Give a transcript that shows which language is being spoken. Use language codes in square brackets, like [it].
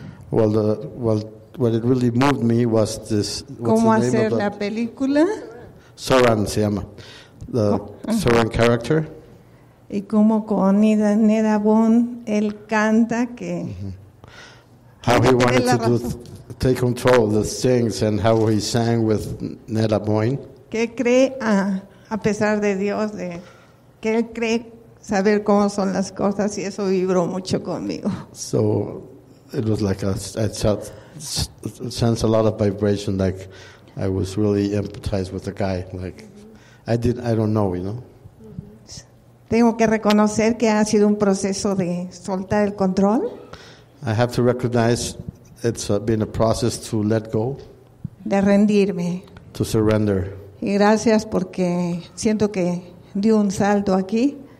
[en] Well, what it really moved me was this. [es] ¿Cómo hacer la película? Soran se llama. [en] The Soran character. [es] Y como con Neda Bon, él canta que. [en] How he wanted to do take control of the things and how he sang with Neda Bon. [es] Que cree a pesar de Dios, de que él cree saber cómo son las cosas, y eso vibró mucho conmigo. [en] So it was like I sense a lot of vibration, like I was really empathized with the guy, like I don't know, you know. [es] Tengo que reconocer que ha sido un proceso de soltar el control. [en] I have to recognize it's been a process to let go. [es] De rendirme. [en] To surrender. [es] Y gracias porque siento que dio un salto aquí.